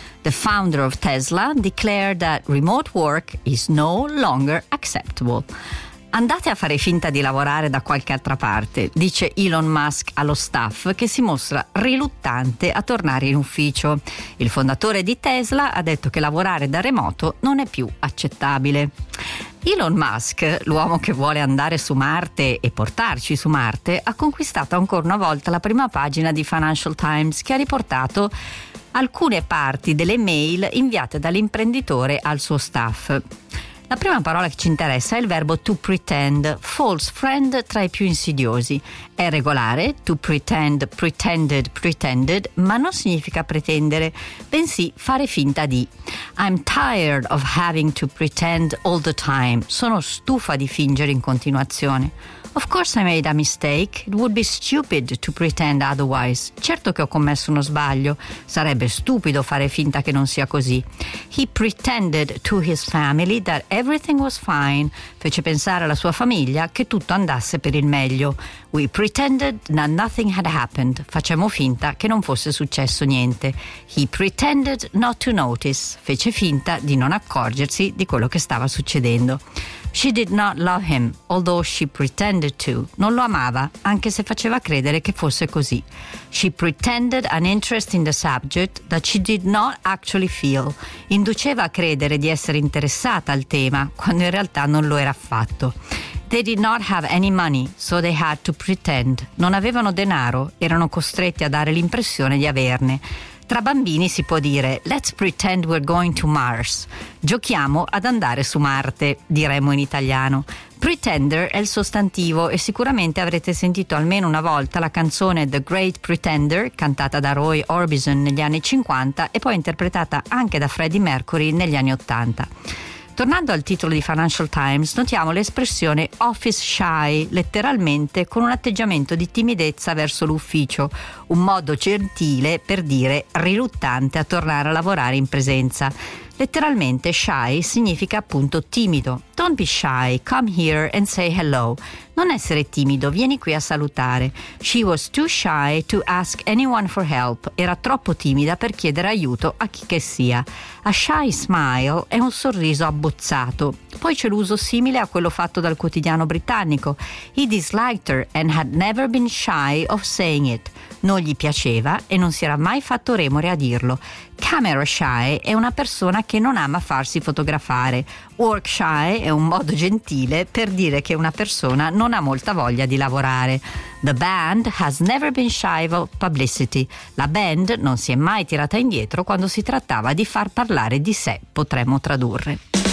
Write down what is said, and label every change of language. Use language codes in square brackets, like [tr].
[en] The founder of Tesla declared that remote work is no longer acceptable. [it] Andate a fare finta di lavorare da qualche altra parte, dice Elon Musk allo staff che si mostra riluttante a tornare in ufficio. Il fondatore di Tesla ha detto che lavorare da remoto non è più accettabile. Elon Musk, l'uomo che vuole andare su Marte e portarci su Marte, ha conquistato ancora una volta la prima pagina di Financial Times, che ha riportato alcune parti delle mail inviate dall'imprenditore al suo staff. La prima parola che ci interessa è il verbo to pretend, false friend tra i più insidiosi. È regolare, to pretend, pretended, pretended, ma non significa pretendere, bensì fare finta di. [en] I'm tired of having to pretend all the time. [it] Sono stufa di fingere in continuazione. [en] Of course I made a mistake. It would be stupid to pretend otherwise. [it] Certo che ho commesso uno sbaglio. Sarebbe stupido fare finta che non sia così. [en] He pretended to his family that everything was fine. [it] Fece pensare alla sua famiglia che tutto andasse per il meglio. [en] We pretended that nothing had happened. [it] Facciamo finta che non fosse successo niente. [en] He pretended not to notice. [it] Fece finta di non accorgersi di quello che stava succedendo. [en] She did not love him, although she pretended to. [it] Non lo amava, anche se faceva credere che fosse così. [en] She pretended an interest in the subject that she did not actually feel. [it] Induceva a credere di essere interessata al tema, quando in realtà non lo era affatto. [en] They did not have any money, so they had to pretend. [it] Non avevano denaro, erano costretti a dare l'impressione di averne. Tra bambini si può dire [en] let's pretend we're going to Mars. [it] Giochiamo ad andare su Marte, diremmo in italiano. Pretender è il sostantivo e sicuramente avrete sentito almeno una volta la canzone The Great Pretender, cantata da Roy Orbison negli anni 50 e poi interpretata anche da Freddie Mercury negli anni 80. Tornando al titolo di Financial Times, notiamo l'espressione office shy, letteralmente con un atteggiamento di timidezza verso l'ufficio, un modo gentile per dire riluttante a tornare a lavorare in presenza. Letteralmente shy significa appunto timido. [en] Don't be shy, come here and say hello. [it] Non essere timido, vieni qui a salutare. [en] She was too shy to ask anyone for help. [it] Era troppo timida per chiedere aiuto a chi che sia. [en] A shy smile [it] è un sorriso abbozzato. Poi c'è l'uso simile a quello fatto dal quotidiano britannico. [en] He disliked her and had never been shy of saying it. [it] Non gli piaceva e non si era mai fatto remore a dirlo. Camera shy è una persona che non ama farsi fotografare. Work shy è un modo gentile per dire che una persona non ha molta voglia di lavorare. [en] The band has never been shy of publicity. [it] La band non si è mai tirata indietro quando si trattava di far parlare di sé, potremmo tradurre.